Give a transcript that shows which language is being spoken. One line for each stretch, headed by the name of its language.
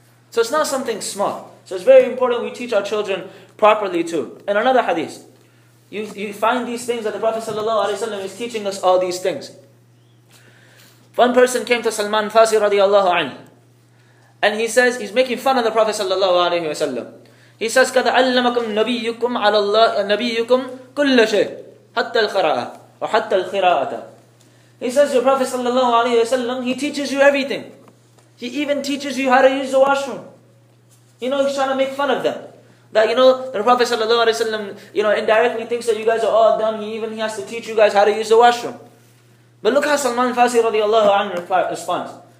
English: So it's not something small. So it's very important we teach our children properly too. And another hadith, you find these things that the Prophet sallallahu alaihi wasallam is teaching us all these things. One person came to Salman Farsi radiallahu anhu, and he says, he's making fun of the Prophet sallallahu alaihi wasallam. He says,
Arabic: قَدْ عَلَّمَكُمْ نَبِيُّكُمْ عَلَى اللَّهِ نَبِيُّكُمْ كُلَّ شَيْءٍ حَتَّى الْخِرَاءَةَ وَحَتَّى الْخِرَاءَةَ.
English: He says, your Prophet sallallahu alaihi wasallam, he teaches you everything. He even teaches you how to use the washroom. You know, he's trying to make fun of them. That, you know, the Prophet sallallahu alaihi wasallam, you know, indirectly thinks that you guys are all dumb. He has to teach you guys how to use the washroom. But look how Salman Farsi radiallahu anhu responds.